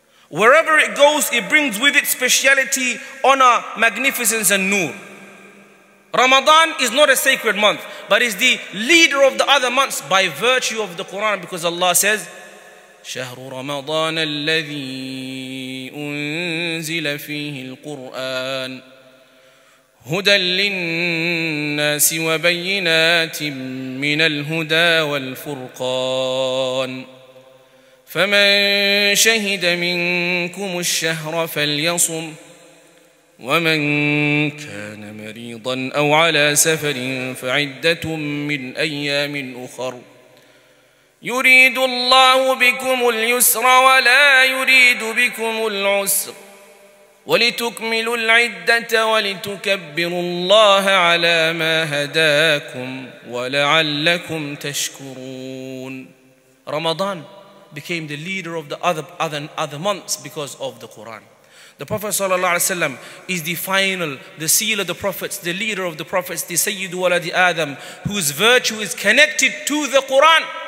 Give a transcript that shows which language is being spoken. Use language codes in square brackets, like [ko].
[en] Wherever it goes, it brings with it speciality, honor, magnificence, and nur. Ramadan is not a sacred month, but is the leader of the other months by virtue of the Quran, because Allah says, [ar] شهر رمضان الذي أنزل فيه القرآن هُدًى لِلنَّاسِ وَبَيِّنَاتٍ مِّنَ الْهُدَى وَالْفُرْقَانِ فَمَنْ شَهِدَ مِنْكُمُ الشَّهْرَ فَلْيَصُمْ وَمَنْ كَانَ مَرِيضًا أَوْ عَلَى سَفَرٍ فَعِدَّةٌ مِّنْ أَيَّامٍ أُخَرُ يريد الله بكم اليسر ولا يريد بكم العسر ولتكملوا العدة ولتكبروا الله على ما هداكم ولعلكم تشكرون. [en] Ramadan became the leader of the other months because of the Quran. The Prophet ﷺ is the final, the seal of the prophets, the leader of the prophets, the Sayyidu Waladi Adam, whose virtue is connected to the Quran.